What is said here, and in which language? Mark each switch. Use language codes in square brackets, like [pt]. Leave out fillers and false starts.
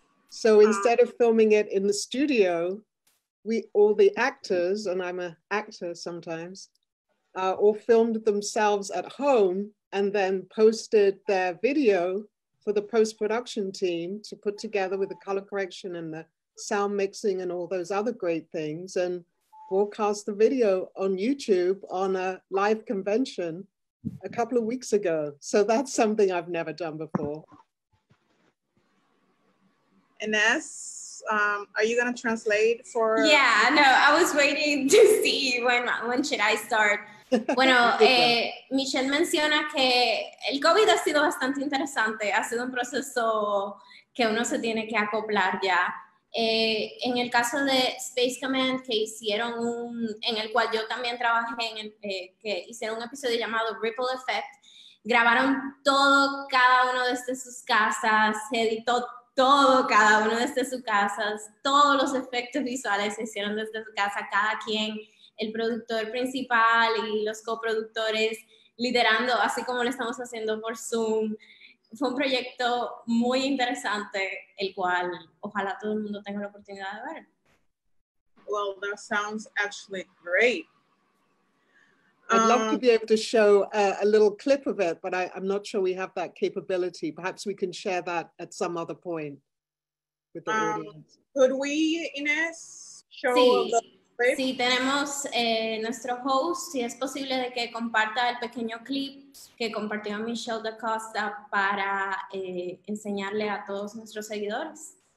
[en] So instead of filming it in the studio, all the actors, and I'm an actor sometimes, all filmed themselves at home and then posted their video for the post-production team to put together with the color correction and the sound mixing and all those other great things, and broadcast the video on YouTube on a live convention a couple of weeks ago. So that's something I've never done before. Ines, are you gonna translate for? Yeah, no, I was waiting to see when should I start. [es] Bueno, Michele menciona que el COVID ha sido bastante interesante. Ha sido un proceso que uno se tiene que acoplar ya. En el caso de Space Command, que hicieron en el cual yo también trabajé, que hicieron un episodio llamado Ripple Effect, grabaron todo, cada uno desde sus casas, se editó todo, cada uno desde sus casas, todos los efectos visuales se hicieron desde su casa, cada quien, el productor principal y los coproductores, liderando, así como lo estamos haciendo por Zoom. Fue un proyecto muy interesante, el cual ojalá todo el mundo tenga la oportunidad de ver. [en] Well, that sounds actually great. I'd love to be able to show a little clip of it, but I'm not sure we have that capability. Perhaps we can share that at some other point with the audience. Could we, Ines, show the clip? [es] Sí, tenemos nuestro host, si es posible de que comparta el pequeño clip que compartió Michele da Costa para enseñarle a todos nuestros seguidores.